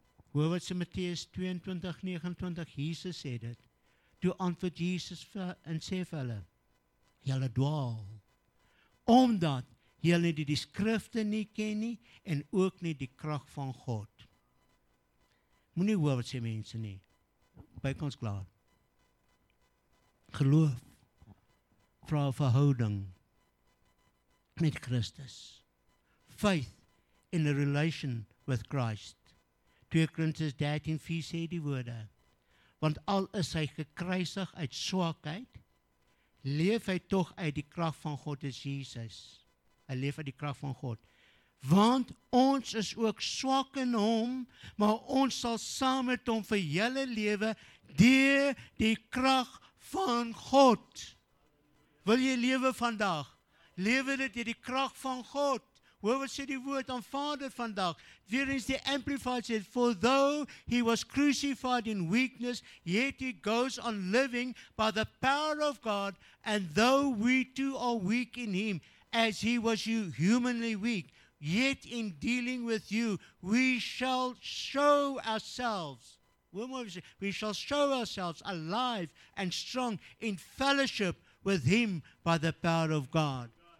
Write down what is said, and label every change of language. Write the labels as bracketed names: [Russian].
[Afrikaans] Hoor wat sy Matteus 22:29, Jesus sê dit. Toe antwoord Jesus en sê vir hulle, julle dwaal, omdat julle die skrifte nie ken nie, en ook nie die kracht van God. Moet nie hoor wat sy mense nie. Bykans klaar. Geloof vra verhouding met Christus. [English] Faith in a relation with Christ. [Afrikaans] 2 Korintiërs 13:4 sê die woorde, want al is hy gekruisig uit swakheid, leef hy tog uit die krag van God is Jesus. Hy leef uit die krag van God. Want ons is ook swak in hom, maar ons sal saam met hom vir julle lewe deur die krag van God. Wil jy lewe vandag? Lewe dit deur die krag van God. Hoor wat sê die woord aan Vader vandag. Weer eens die Amplified sê, [English] for though he was crucified in weakness, yet he goes on living by the power of God, and though we too are weak in him, as he was you humanly weak, yet in dealing with you, we shall show ourselves, we shall show ourselves alive and strong in fellowship with him by the power of God.